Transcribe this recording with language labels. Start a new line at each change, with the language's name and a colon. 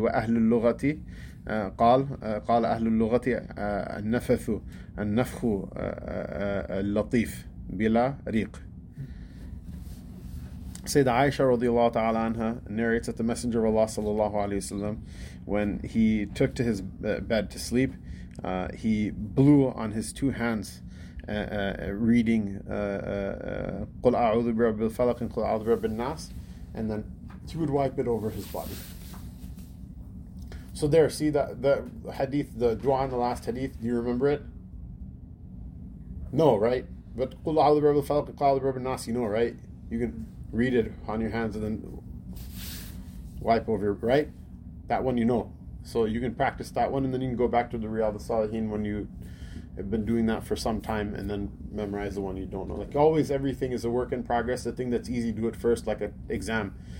Arabic: وأهل اللغة قال أهل اللغة النفث النفخ اللطيف بلا ريق.
English: Sayyid Aisha radiallahu ta'ala anha narrates that the Messenger of Allah sallallahu alayhi wa sallam, when he took to his bed to sleep, he blew on his two hands reading
Arabic: قُلْ أَعُوذُ بِرَبِّ الْفَلَقِ قُلْ أَعُوذُ بِرَبِّ النَّاسِ,
English: and then he would wipe it over his body. So there, see that the hadith, the dua in the last hadith, do you remember it? No, right? But
Arabic: قُلْ أَعُوذُ بِرَبِّ الْفَلَقِ قُلْ أَعُوذُ بِرَبِّ النَّاسِ,
English: you know, right? You can read it on your hands and then wipe over your, right? That one you know. So you can practice that one, and then you can go back to the Riyād al-Sālihīn when you have been doing that for some time, and then memorize the one you don't know. Like always, everything is a work in progress. The thing that's easy, do it first, like an exam.